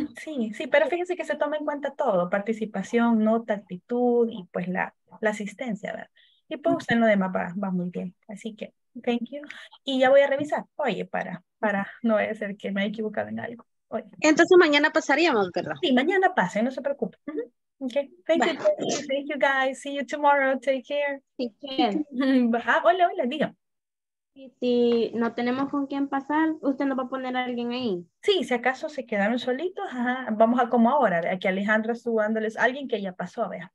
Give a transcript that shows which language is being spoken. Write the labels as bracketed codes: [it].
[es] Sí, pero fíjense que se toma en cuenta todo, participación, nota, actitud y pues la asistencia, ¿verdad? Y pues usted en lo demás va muy bien, así que [en] thank you. [es] Y ya voy a revisar, oye, para no vaya a ser que me haya equivocado en algo. Oye. Entonces mañana pasaríamos, ¿verdad? Sí, mañana pasa, no se preocupe. [en] Okay, thank you guys, see you tomorrow, take care. Take care. [es] Ah, hola, diga. Si no tenemos con quién pasar, usted nos va a poner a alguien ahí. Sí, si acaso se quedaron solitos, ajá. Vamos a como ahora, ¿verdad? Que Alejandra estuvo dándoles a alguien que ya pasó, vea.